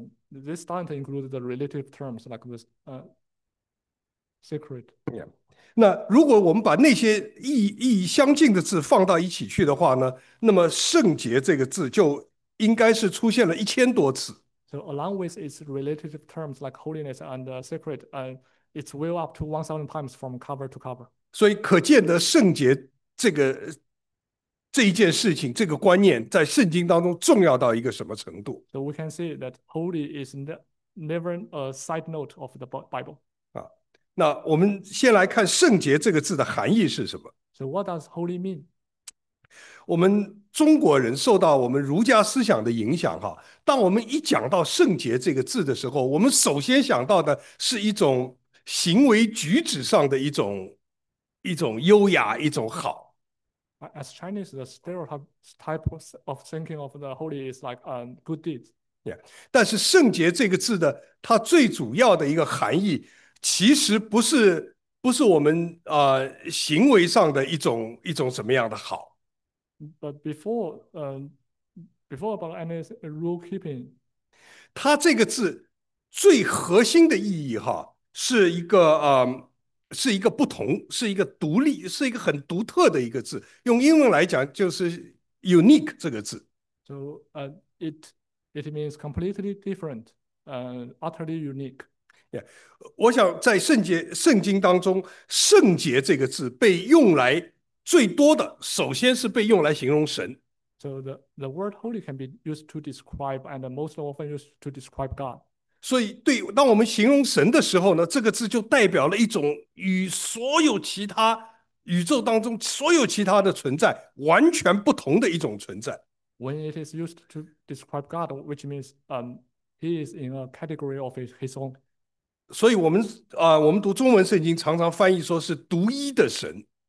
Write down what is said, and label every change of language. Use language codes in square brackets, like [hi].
[en] This doesn't include the relative terms like this sacred. [zh] 那如果我们把那些意义相近的字放到一起去的话呢，那么"圣洁"这个字就应该是出现了1000多次。 [en] So along with its relative terms like holiness and sacred, it's well up to 1,000 times from cover to cover. [zh] 所以可见得"圣洁"这个这一件事情，这个观念在圣经当中重要到一个什么程度？ [en] So we can say that holy is never a side note of the Bible. [zh] 那我们先来看圣洁这个字的含义是什么？ [en] So what does holy mean? [zh] 我们中国人受到我们儒家思想的影响，哈，当我们一讲到圣洁这个字的时候，我们首先想到的是一种行为举止上的一种优雅，一种好。 [en] As Chinese, the stereotype of thinking of the holy is like a good deed. Yeah. [zh] 但是"圣洁"这个字的，它最主要的一个含义，其实不是我们行为上的一种什么样的好。 [en] But before about any rule keeping. [zh] 它这个字最核心的意义哈，是一个是一个不同，是一个独立，是一个很独特的一个字。用英文来讲，就是 unique 这个字。 [en] So, it means completely different, utterly unique. Yeah. [zh] 我想在圣经当中，圣洁这个字被用来最多的，首先是被用来形容神。 [en] So the word holy can be used to describe, and most often used to describe God. [zh] 所以对，当我们形容神的时候呢，这个字就代表了一种与所有其他宇宙当中所有其他的存在完全不同的一种存在。 [en] When it is used to describe God, which means he is in a category of his own. [zh] 所以我们读中文圣经，常常翻译说是独一的神。